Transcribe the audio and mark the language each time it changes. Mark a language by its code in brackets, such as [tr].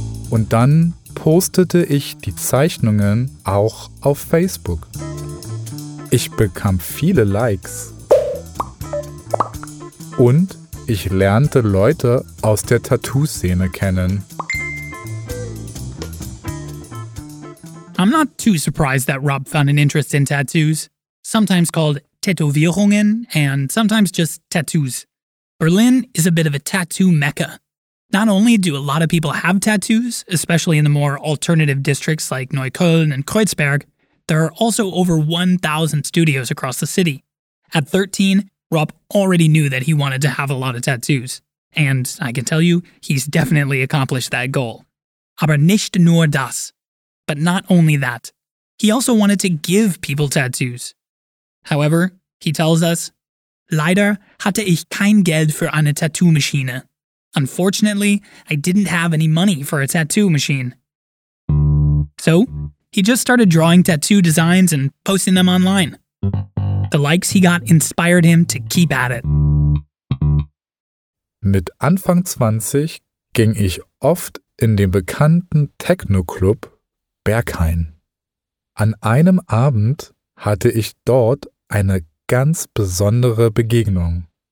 [de] Und dann postete ich die Zeichnungen auch auf Facebook. Ich bekam viele Likes. Und ich lernte Leute aus der Tattoo-Szene kennen. [en] I'm not too surprised that Rob found an interest in tattoos, sometimes called Tätowierungen and sometimes just tattoos. Berlin is a bit of a tattoo mecca. Not only do a lot of people have tattoos, especially in the more alternative districts like Neukölln and Kreuzberg, there are also over 1,000 studios across the city. At 13, Rob already knew that he wanted to have a lot of tattoos. And I can tell you, he's definitely accomplished that goal. [de] Aber nicht nur das. [en] But not only that. He also wanted to give people tattoos. However, he tells us, [de] Leider hatte ich kein Geld für eine Tattoo-Maschine. [en] Unfortunately, I didn't have any money for a tattoo machine. So, he just started drawing tattoo designs and posting them online. The likes he got inspired him to keep at it. [de] Mit Anfang 20 ging ich oft in den bekannten Techno-Club Berghain. An einem Abend hatte ich dort eine ganz besondere Begegnung.